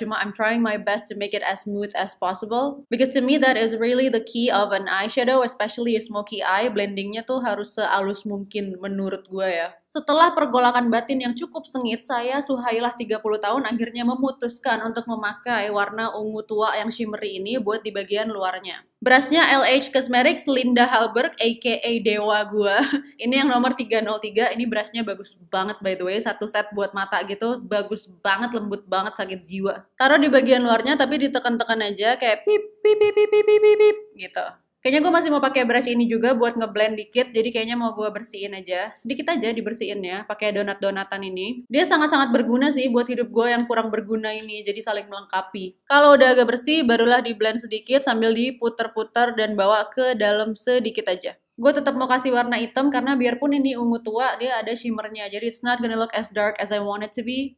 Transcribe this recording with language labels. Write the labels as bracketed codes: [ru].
[id] Cuma [en] I'm trying my best to make it as smooth as possible. Because to me that is really the key of an eyeshadow, especially a smoky eye. [id] Blendingnya tuh harus sehalus mungkin menurut gue ya. Setelah pergolakan batin yang cukup sengit, saya Suhailah 30 tahun akhirnya memutuskan untuk memakai warna ungu tua yang shimmery ini buat di bagian luarnya. Brushnya LH Cosmetics Linda Halberg, aka Dewa gue. Ini yang nomor 303, ini brushnya bagus banget [en] by the way. [id] Satu set buat mata gitu, bagus banget, lembut banget, sakit jiwa. Taruh di bagian luarnya tapi ditekan-tekan aja kayak pip, pip, pip, pip, pip, pip, pip, gitu. Kayaknya gue masih mau pakai brush ini juga buat ngeblend dikit, jadi kayaknya mau gue bersihin aja. Sedikit aja dibersihin ya, pakai donat-donatan ini. Dia sangat-sangat berguna sih buat hidup gue yang kurang berguna ini, jadi saling melengkapi. Kalau udah agak bersih, barulah diblend sedikit sambil diputer-puter dan bawa ke dalam sedikit aja. Gue tetap mau kasih warna hitam karena biarpun ini ungu tua, dia ada shimmernya. Jadi [en] it's not gonna look as dark as I want it to be.